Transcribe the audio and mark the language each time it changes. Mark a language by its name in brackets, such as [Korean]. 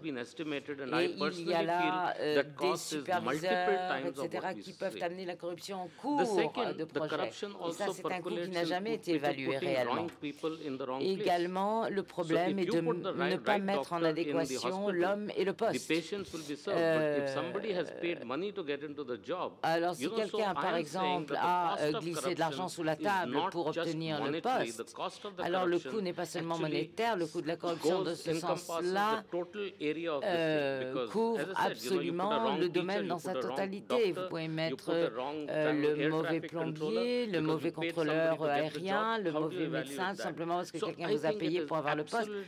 [French] Et il y a là des superviseurs, etc., qui peuvent amener la corruption en cours de projet. Et ça, c'est un coût qui n'a jamais été évalué réellement. Également, le problème est de ne pas mettre en adéquation l'homme et le poste. [English] The patients will be served, but if somebody has paid money to get into the job, [French] Alors, si quelqu'un, par exemple, a glissé de l'argent sous la table pour obtenir le poste, alors le coût n'est pas seulement monétaire, le coût de la corruption de ce sens-là couvre absolument le domaine dans sa totalité. Vous pouvez mettre le mauvais plombier, le mauvais contrôleur aérien, le mauvais médecin, simplement parce que quelqu'un vous a payé pour avoir le poste.